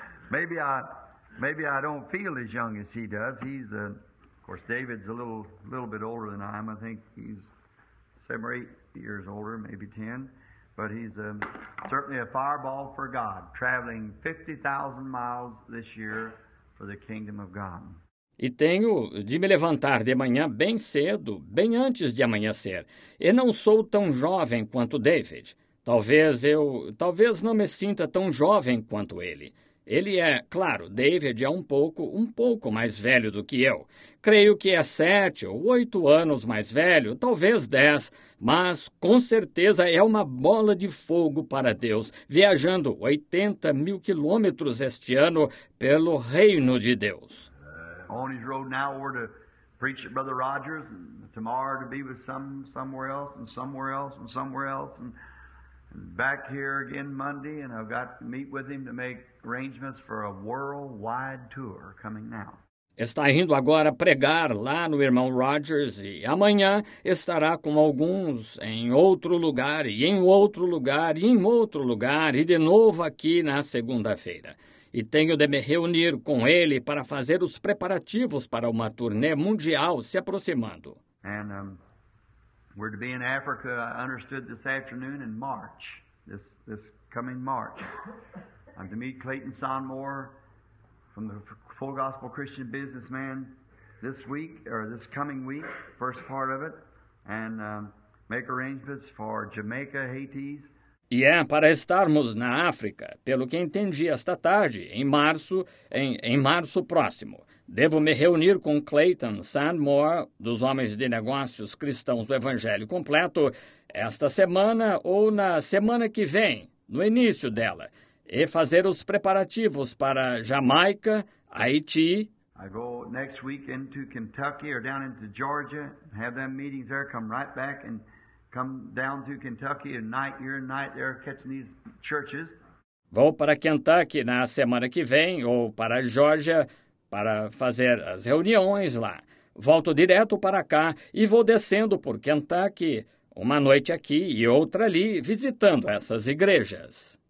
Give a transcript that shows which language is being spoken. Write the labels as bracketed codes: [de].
[en] Maybe I don't feel as young as he does. He's, of course, David's a little bit older than I am. I think he's 7 or 8 years older, maybe 10. But he's certainly a fireball for God, traveling 50,000 miles this year for the kingdom of God. [pt] E tenho de me levantar de manhã bem cedo, bem antes de amanhecer. E não sou tão jovem quanto David. Talvez não me sinta tão jovem quanto ele. Ele é, claro, David é um pouco mais velho do que eu. Creio que é 7 ou 8 anos mais velho, talvez 10, mas com certeza é uma bola de fogo para Deus, viajando 80 mil quilômetros este ano pelo reino de Deus. [en] On his road now, we're to preach at Brother Rogers, and tomorrow to be with somewhere else, and somewhere else, and somewhere else, and back here again Monday, and I've got to meet with him to make arrangements for a worldwide tour coming now. [pt] Está indo agora pregar lá no irmão Rogers e amanhã estará com alguns em outro lugar e em outro lugar e em outro lugar e de novo aqui na segunda-feira. E tenho de me reunir com ele para fazer os preparativos para uma turnê mundial se aproximando. [en] And we're to be in Africa, I understood, this afternoon in March, this coming March. I'm to meet Clayton Sonmore from the Full Gospel Christian Businessman this week, or this coming week, first part of it, and make arrangements for Jamaica, Haiti. [pt] E é para estarmos na África, pelo que entendi esta tarde, em março próximo. Devo me reunir com Clayton Sandmore, dos Homens de Negócios Cristãos do Evangelho Completo, esta semana ou na semana que vem, no início dela, e fazer os preparativos para Jamaica, Haiti. [en] I go next week into Kentucky or down into Georgia, have them meetings there, come right back and come down to Kentucky at night, here at night, there catching these churches. [pt] Vou para Kentucky na semana que vem, ou para Georgia, para fazer as reuniões lá. Volto direto para cá e vou descendo por Kentucky, uma noite aqui e outra ali, visitando essas igrejas.